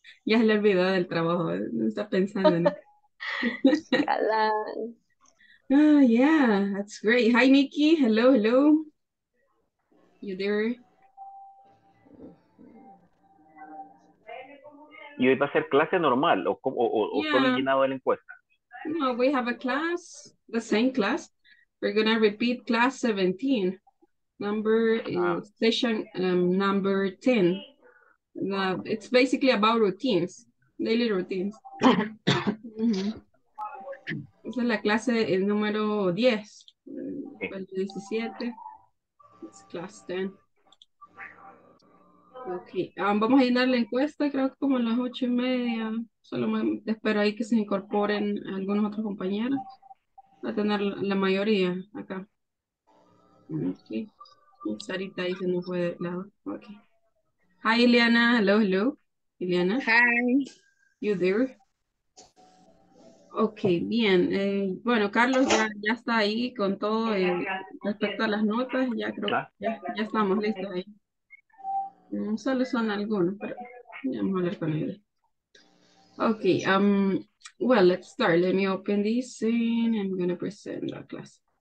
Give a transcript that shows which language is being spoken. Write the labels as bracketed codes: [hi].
[es] Ya se le olvidó del trabajo, no está pensando en eso. [en] yeah, that's great. Hi, Nikki. Hello, hello. You there? [es] ¿Y hoy va a ser clase normal o [en] yeah. [es] Solo he llenado la encuesta? [en] No, we have a class, the same class. We're going to repeat class 17. Number is session number 10. It's basically about routines, daily routines. [es] Mm-hmm. Esa es la clase, el número 10. El 17. [en] It's class 10. Okay. [es] Vamos a llenar la encuesta, creo que como a las 8:30. Solo me espero ahí que se incorporen algunos otros compañeros. Va a tener la mayoría acá. Ok. Sarita dice no fue de lado. Ok. [en] Hi, Ileana. Hello, hello. [es] Ileana. Hi. You there? Ok, bien. Bueno, Carlos ya está ahí con todo respecto a las notas. Ya creo ya estamos listos ahí. Solo son algunos, pero vamos a hablar con él. [en] Ok. Well, let's start. Let me open this and I'm going to present the class.